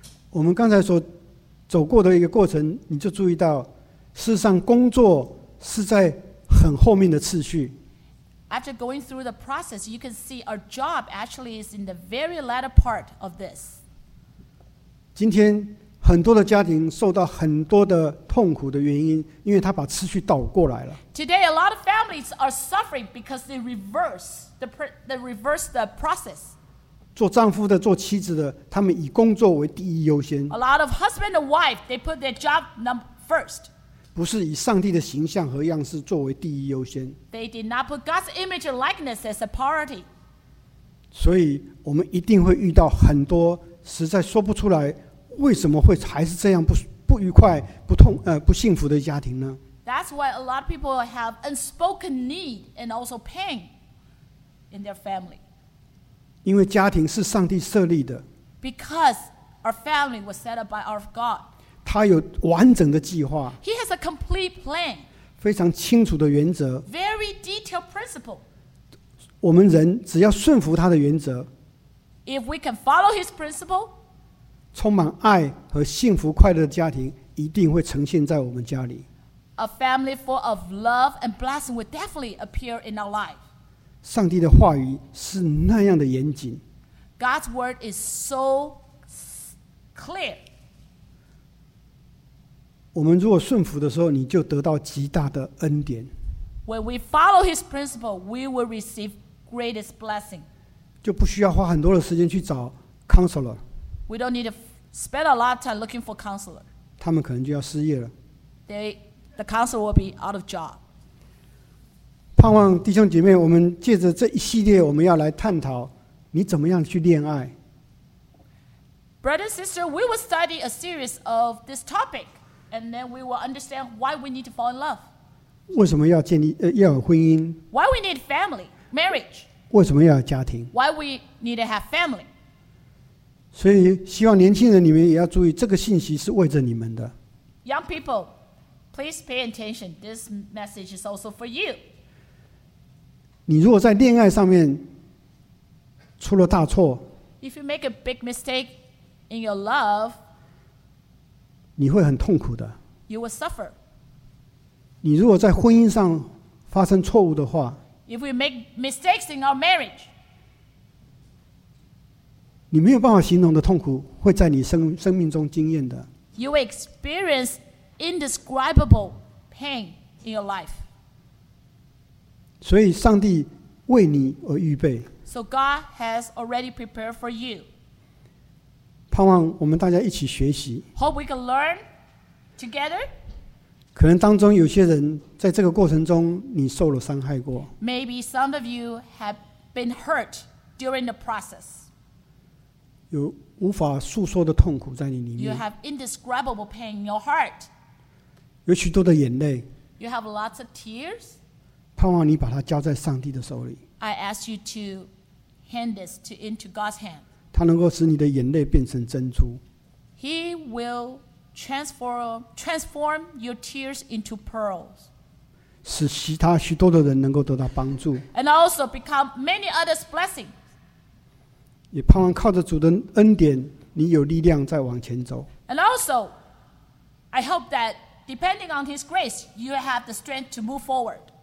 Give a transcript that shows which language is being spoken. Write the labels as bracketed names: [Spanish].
[Chinese] 我们刚才所走过的一个过程你就注意到事实上工作是在很后面的次序。 [English] After going through the process, you can see our job actually is in the very latter part of this. [Chinese] 今天很多的家庭受到很多的痛苦的原因，因为他把次序倒过来了。 [English] Today, a lot of families are suffering because they reverse the process. [Chinese] 做丈夫的，做妻子的，他们以工作为第一优先。 [English] A lot of husband and wife, they put their job number first. [Chinese] 不是以上帝的形象和样式作为第一优先。 [English] They did not put God's image and likeness as a priority. [Chinese] 所以我们一定会遇到很多实在说不出来为什么会还是这样 不愉快不幸福的家庭呢 [English] That's why a lot of people have unspoken need and also pain in their family. [Chinese] 因为家庭是上帝设立的。 [English] Because our family was set up by our God. [Chinese] 他有完整的计划 [English] He has a complete plan [Chinese] 非常清楚的原则 [English] Very detailed principle [Chinese] 我们人只要顺服他的原则 [English] If we can follow his principle [Chinese] 充满爱和幸福快乐的家庭一定会呈现在我们家里 [English] A family full of love and blessing will definitely appear in our life [Chinese] 上帝的话语是那样的严谨 [English] God's word is so clear [Chinese] 我们如果顺服的时候，你就得到极大的恩典。 [English] When we follow His principle, we will receive greatest blessing. [Chinese] 就不需要花很多的时间去找 counselor. [English] We don't need to spend a lot of time looking for counselor. [Chinese] 他们可能就要失业了。 [English] The counselor will be out of job. [Chinese] 盼望弟兄姐妹，我们借着这一系列，我们要来探讨你怎么样去恋爱。 [English] Brother and sister, we will study a series of this topic, and then we will understand why we need to fall in love. [Chinese] 为什么要建立要有婚姻 [English] ？Why we need family, marriage? [Chinese] 为什么要有家庭 [English] ？Why we need to have family? [Chinese] 所以希望年轻人你们也要注意，这个信息是为着你们的。 [English] Young people, please pay attention. This message is also for you. [Chinese] 你如果在恋爱上面出了大错 [English] ，If you make a big mistake. In your love, [Chinese] 你会很痛苦的。 [English] You will suffer. [Chinese] 你如果在婚姻上发生错误的话 [English] ，If we make mistakes in our marriage, [Chinese] 你没有办法形容的痛苦会在你生命中经验的。 [English] You will experience indescribable pain in your life. [Chinese] 所以上帝为你而预备。 [English] So God has already prepared for you. [Chinese] 盼望我们大家一起学习。 [English] Hope we can learn together. [Chinese] 可能当中有些人在这个过程中你受了伤害过。 [English] Maybe some of you have been hurt during the process. [Chinese] 有无法诉说的痛苦在你里面。 [English] You have indescribable pain in your heart. [Chinese] 有许多的眼泪。 [English] You have lots of tears. [Chinese] 盼望你把它交在上帝的手里。 [English] I ask you to hand this into God's hand. [Chinese] 他能够使你的眼泪变成珍珠。 [English] He will transform your tears into pearls. [Chinese] 使其他许多的人能够得到帮助。 [English] And also become many others' blessings. [Chinese] 也盼望靠着主的恩典，你有力量再往前走。 [English] And also, I hope that depending on His grace, you have the strength to move forward.